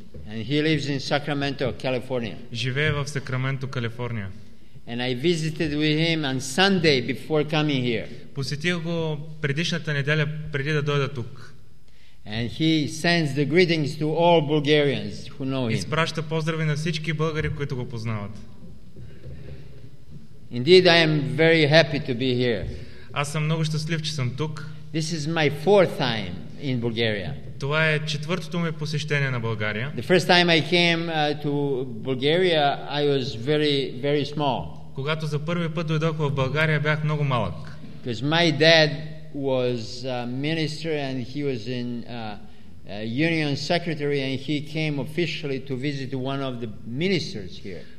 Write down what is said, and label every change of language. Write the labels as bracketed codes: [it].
[en] And he lives in Sacramento, California. [bg] Живее в Сакраменто, Калифорния. [en] And I visited with him on Sunday before coming here. [bg] Посетих го предишната неделя преди да дойда тук. [en] And he sends the greetings to all Bulgarians who know him. [bg] Изпраща поздрави на всички българи, които го познават. [en] Indeed, I am very happy to be here. [bg] Аз съм много щастлив, че съм тук. [en] This is my fourth time in Bulgaria. [bg] Това е четвъртото ми посещение на България. [en] The first time I came to Bulgaria, I was very, very small. [bg] Когато за първи път дойдох в България, бях много малък. [en] Because my dad was a minister and he was in union secretary and he came officially to visit one of the ministers here.